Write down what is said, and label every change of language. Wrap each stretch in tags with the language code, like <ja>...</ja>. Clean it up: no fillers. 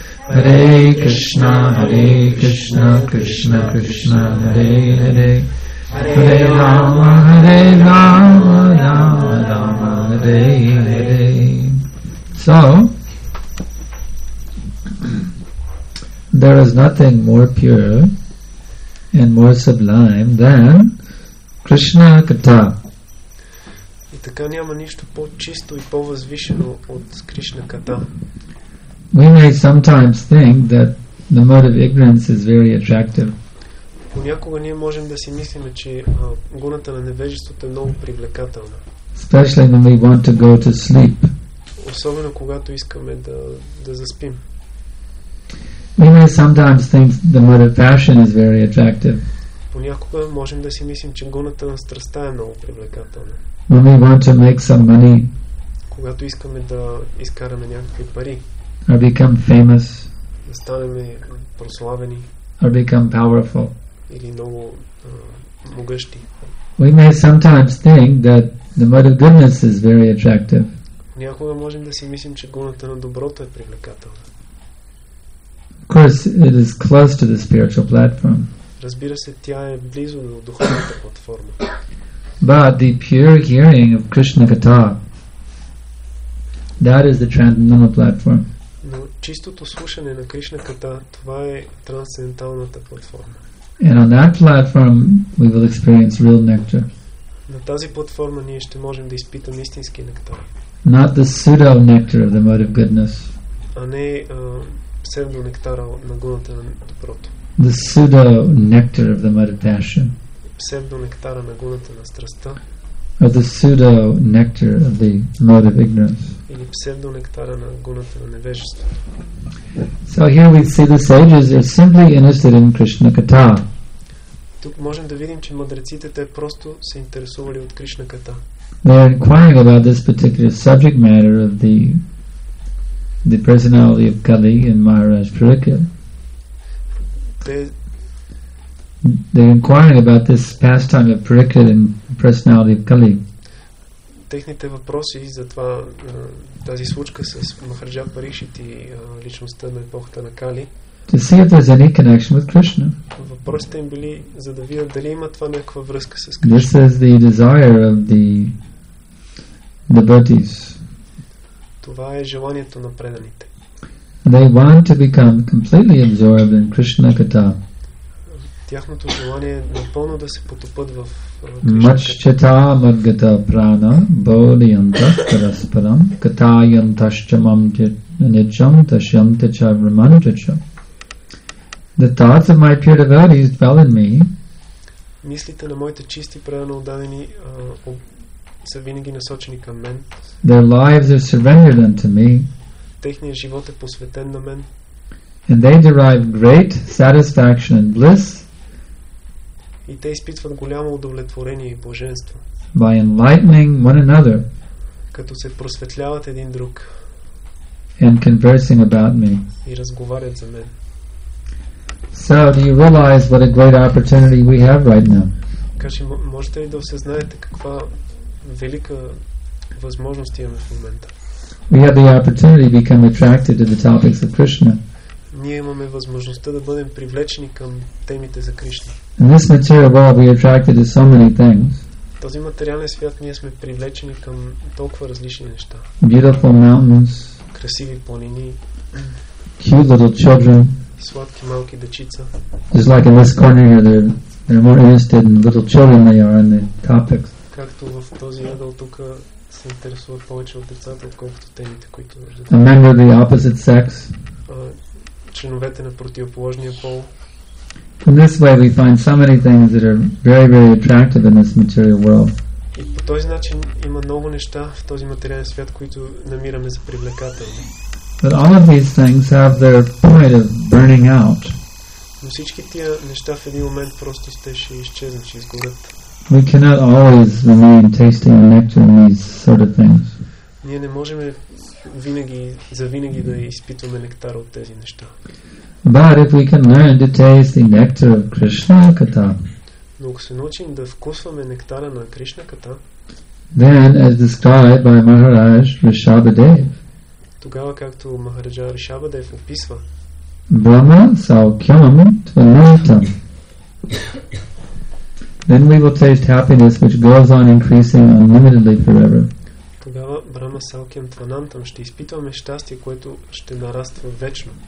<sa>Hare Krishna, Hare Krishna, Krishna Krishna, Hare Hare Hare Rama, Hare Rama, Rama Rama, Hare Hare.</sa> <en>So, there is nothing more pure and more sublime than Krishna Katha.</en> <bg>И така няма нищо по-чисто и по-възвишено от Кришна Катха.</bg> <en>We may sometimes think that the mode of ignorance is very attractive.</en> <bg>Понякога ние можем да си мислим, че гоната на невежеството е много привлекателна.</bg> <en>Especially when we want to go to sleep.</en> <bg>Особено когато искаме да заспим.</bg> <en>We may sometimes think the mode of passion is very attractive.</en> <bg>Понякога можем да си мислим, че гоната на страстта е много привлекателна.</bg> <en>When we want to make some money,</en> <bg>когато искаме да изкараме някакви пари,</bg> <en>or become famous,</en> <bg>да станем прославени,</bg> <en>or become powerful,</en> <bg>или много могъщи,</bg> <en>we may sometimes think that the mode of goodness is very attractive.</en> <bg>Понякога можем да си мислим, че гоната на доброто е привлекателна.</bg> <en>Of course, it is close to the spiritual platform.</en> <bg>Разбира се, тя е близо до духовната платформа.</bg> <en>But the pure hearing of Krishna Katha, that is the transcendental platform.</en> <bg>Но чистото слушане на Кришна Ката, това е трансценденталната платформа.</bg> <en>And on that platform, we will experience real nectar.</en> <bg>На тази платформа ние ще можем да изпитаме истински нектар.</bg> <en>Not the pseudo nectar of the mode of goodness.</en> <bg>А не псевдо нектара на гуната на доброто.</bg> <en>The pseudo nectar of the mode of passion.</en> <bg>Псевдо нектара на гуната на страстта.</bg> <en>Or the pseudo nectar of the mode of ignorance.</en> <bg>Или псевдо нектара на гуната на невежеството.</bg> <en>So here we see the sages are simply interested in Krishna Katha.</en> <bg>Тук можем да видим, че мъдреците те просто се интересували от Кришна Ката.</bg> <en>They are inquiring about this particular subject matter of the personality of Kali and Maharaj Parikshit. They are inquiring about this pastime of Parikshit and personality of Kali.</en> <bg>Техните въпроси за това тази случка с Махарджа Парикшит и личността на епохата на Кали.</bg> <en>To see if there's any connection with Krishna.</en> <bg>Въпросите им били за да видят дали има това някаква връзка с Кришна.</bg> <en>This is the desire of the devotees.</en> <bg>Това е желанието на преданите.</bg> <en>They want to become completely absorbed in Krishna Katha.</en> <bg>Тяхното желание е напълно да се потопят в</bg> <sa>Machchata Madgata Prana Bodhyanta Parasparam Katayantashchamam Nicham Tashyanta Chavramantacham.</sa> <en>The thoughts of my pure devotees dwell in me.</en> <bg>Мислите на моите чисти преданно отдадени са винаги насочени към мен.</bg> <en>Their lives are surrendered unto me.</en> <bg>Техният живот е посветен на мен.</bg> <en>And they derive great satisfaction and bliss.</en> <bg>И те изпитват голямо удовлетворение и блаженство.</bg> <en>By enlightening one another.</en> <bg>Като се просветляват един друг.</bg> <en>And conversing about me.</en> <bg>И разговарят за мен.</bg> <en>So do you realize what a great opportunity we have right now?</en> <bg>Кажи, можете ли да осъзнаете каква велика възможност имаме в момента?</bg> <en>We have the opportunity to become attracted to the topics of Krishna.</en> <bg>Ние имаме възможността да бъдем привлечени към темите за Кришна.</bg> <en>In this material world, we are attracted to so many things.</en> <bg>Този материален свят ние сме привлечени към толкова различни неща.</bg> <en>Beautiful mountains.</en> <bg>Красиви планини.</bg> <en>Cute little children.</en> <bg>Сладки малки дечица.</bg> <en>Just like in this corner here, they're more interested in little children than they are in the topics.</en> <bg>Както в този ъгъл тук се интересуват повече от децата, отколкото темите, които виждат.</bg> <en>A member of the opposite sex.</en> <bg>Членовете на противоположния пол.</bg> <en>In this way we find so many things that are very, very attractive in this material world.</en> <bg>И по този начин има много неща в този материален свят, които намираме за привлекателни.</bg> <en>But all of these things have their point of burning out.</en> <bg>Но всички тия неща в един момент просто ще изчезнат, ще изгорят.</bg> <en>We cannot always remain tasting the nectar in these sort of things.</en> <bg>Ние не можем винаги, за винаги да изпитваме нектара от тези неща.</bg> <en>But if we can learn to taste the nectar of Krishna Katha,</en> <bg>но ако се научим да вкусваме нектара на Кришна Ката,</bg> <en>then as described by Maharaj Rishabhadev,</en> <bg>тогава както Махараджа Ришабадев описва,</bg> <sa>Brahma Saukhyam Tvanatam,</sa> <en>then we will taste happiness which goes on increasing unlimitedly forever.</en> <bg>Тогава</bg> <sa>Брама Саукиям Тванантам</sa> <bg>ще изпитваме щастие, което ще нараства вечно.</bg>